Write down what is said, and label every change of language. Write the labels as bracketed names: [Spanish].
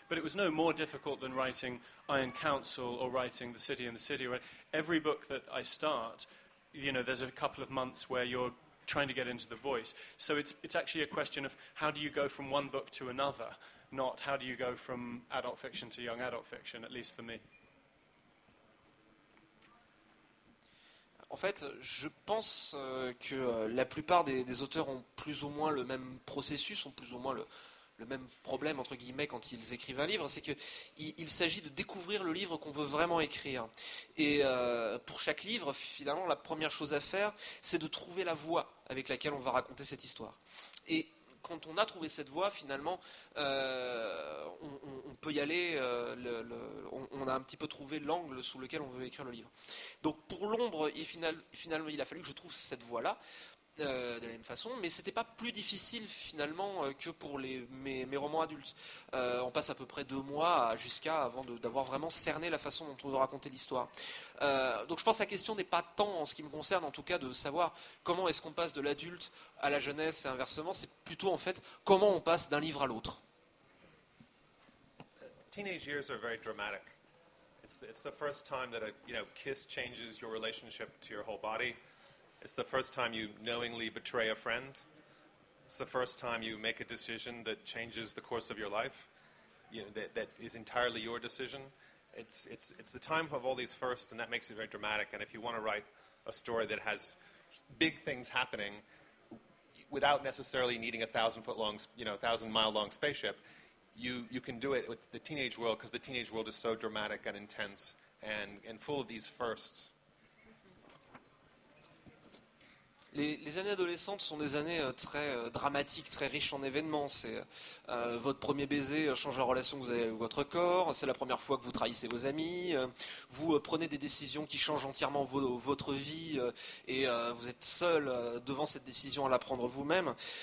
[English] But it was no more difficult than writing Iron Council or writing The City and the City. Every book that I start, you know, there's a couple of months where you're trying to get into the voice. So it's actually a question of how do you go from one book to another, not how do you go from adult fiction to young adult fiction, at least for me. [French] En fait, je pense que la plupart des auteurs ont plus ou moins le même processus, ont plus ou moins le même problème, entre guillemets, quand ils écrivent un livre, c'est qu'il s'agit de découvrir le livre qu'on veut vraiment écrire. Et pour chaque livre, finalement, la première chose à faire, c'est de trouver la voie avec laquelle on va raconter cette histoire. Et quand on a trouvé cette voie, finalement, on peut y aller. On a un petit peu trouvé l'angle sous lequel on veut écrire le livre. Donc, pour l'ombre, finalement, il a fallu que je trouve cette voie-là. De la même façon, mais c'était pas plus difficile finalement que pour mes romans adultes. On passe à peu près 2 mois avant d'avoir vraiment cerné la façon dont on veut raconter l'histoire. Donc je pense que la question n'est pas tant en ce qui me concerne, en tout cas, de savoir comment est-ce qu'on passe de l'adulte à la jeunesse et inversement, c'est plutôt en fait comment on passe d'un livre à l'autre. [English] Teenage years are very dramatic. It's the first time that a kiss changes your relationship to your whole body. It's the first time you knowingly betray a friend. It's the first time you make a decision that changes the course of your life. That is entirely your decision. It's the time of all these firsts, and that makes it very dramatic. And if you want to write a story that has big things happening without necessarily needing a 1,000-foot-long, 1,000-mile-long spaceship, you can do it with the teenage world, because the teenage world is so dramatic and intense and full of these firsts. [French] Les années adolescentes sont des années très dramatiques, très riches en événements. C'est votre premier baiser change la relation que vous avez avec votre corps. C'est la première fois que vous trahissez vos amis. Vous prenez des décisions qui changent entièrement votre vie et vous êtes seul devant cette décision à la prendre vous-même.